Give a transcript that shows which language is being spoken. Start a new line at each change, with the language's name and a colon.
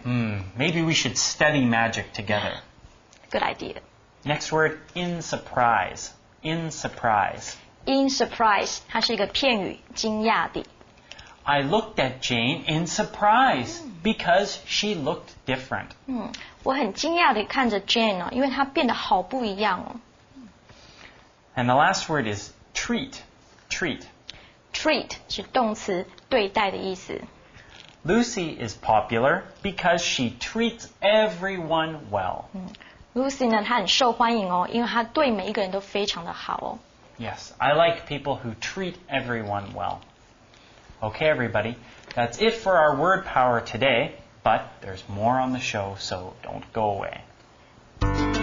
English: Maybe we should study magic together. Good idea. Next word, in surprise. In surprise.
Chinese: In surprise, 它是一个片语，惊讶的。
English: I looked at Jane in surprise because she looked different.
Chinese: 我很惊讶地看着 Jane 哦，因为她变得好不一样哦。
English: And the last word is treat, treat.
Chinese: Treat 是动词，对待的意思。
English: Lucy is popular because she treats everyone well.
Chinese: Lucy 呢，她很受欢迎哦，因为她对每一个人都非常的好哦。
English: Yes, I like people who treat everyone well. Okay, everybody, that's it for our word power today, but there's more on the show, so don't go away.